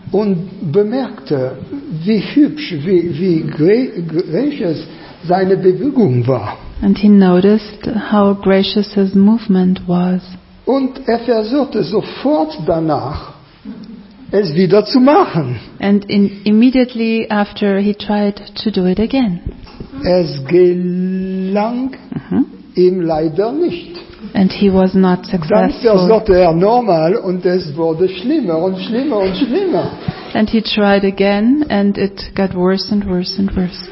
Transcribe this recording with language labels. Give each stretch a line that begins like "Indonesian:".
German: Und bemerkte, wie hübsch, wie
English: gracious
German: seine Bewegung war.
English: And he noticed how gracious his movement was.
German: Und er versuchte sofort danach, es wieder zu machen.
English: And immediately after he tried to do it again.
German: Es gelang ihm leider nicht.
English: And he was not successful.
German: Dann versuchte er normal und es wurde schlimmer und schlimmer und schlimmer.
English: And he tried again and it got worse and worse and worse.